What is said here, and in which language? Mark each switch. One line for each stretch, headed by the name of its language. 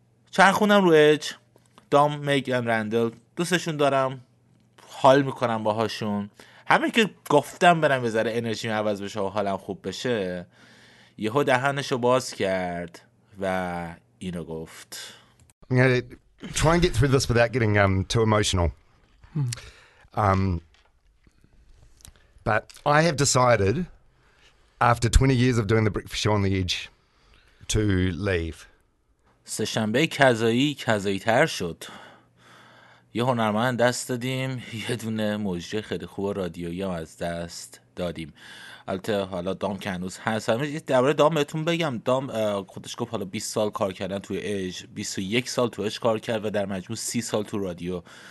Persian: چرخونم رو اج، دام، میگ و رندل دوستشون دارم، حال میکنم باهاشون. همین که گفتم برم یه ذره انرژیم عوض بشه و حالم خوب بشه، یهو دهنشو باز کرد و اینو گفت.
English: You know, try and get through this without getting too emotional. But I have decided, after 20 years of doing the breakfast show on the edge, to leave.
Persian: سه‌شنبه کذایی کذایی‌تر شد. یه هنرمند دست دادیم، یه دونه مجری خیلی خوب رادیویی هم از دست دادیم. البته حالا دام که هنوز هست، همه یه درباره دام بهتون بگم. دام خودش گفت حالا 20 سال کار کردن توی اج، 21 سال توی اج کار کرد و در مجموع 30 سال تو رادیو.